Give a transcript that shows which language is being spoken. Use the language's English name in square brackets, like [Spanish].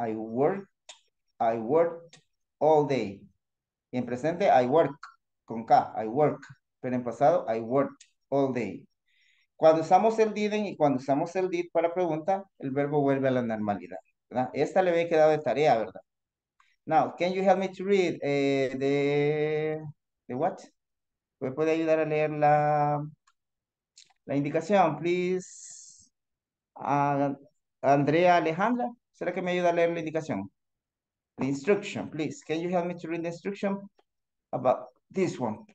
[English] I worked all day. [Spanish] Y en presente, [English] I work, [Spanish] con K, [English] I work. [Spanish] Pero en pasado, [English] I worked all day. [Spanish] Cuando usamos el didn't y cuando usamos el did para pregunta, el verbo vuelve a la normalidad, ¿verdad? Esta le había quedado de tarea, ¿verdad? [English] Now, can you help me to read the what? [Spanish] ¿Me puede ayudar a leer la indicación, please? Andrea Alejandra, ¿será que me ayuda a leer la indicación? [English] The instruction, please. Can you help me to read the instruction about this one?